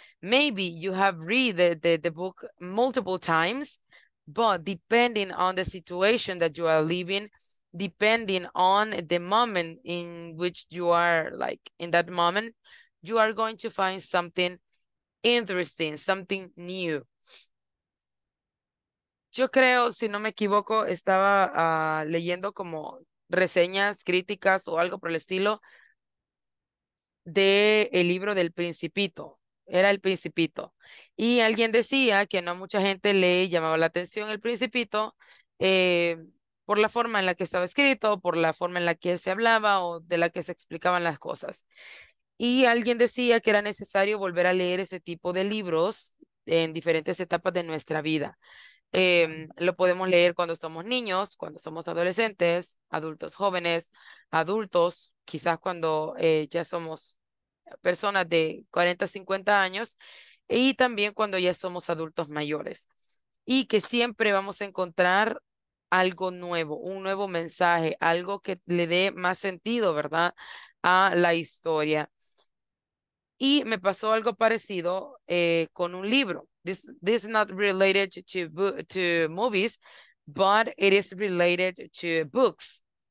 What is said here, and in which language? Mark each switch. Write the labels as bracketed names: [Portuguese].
[English] Maybe you have read the book multiple times, but depending on the situation that you are living, depending on the moment in which you are, like in that moment, you are going to find something interesting, something new. [Spanish] Yo creo, si no me equivoco, estaba leyendo como reseñas, críticas o algo por el estilo de el libro del Principito. Era el Principito. Y alguien decía que no mucha gente le llamaba la atención el Principito por la forma en la que estaba escrito, por la forma en la que se hablaba o de la que se explicaban las cosas. Y alguien decía que era necesario volver a leer ese tipo de libros en diferentes etapas de nuestra vida. Lo podemos leer cuando somos niños, cuando somos adolescentes, adultos jóvenes, adultos, quizás cuando ya somos personas de 40, 50 años, y también cuando ya somos adultos mayores. Y que siempre vamos a encontrar algo nuevo, un nuevo mensaje, algo que le dé más sentido, ¿verdad?, a la historia. Y me pasó algo parecido con un libro. [English] This is not related to movies, but it is related to books.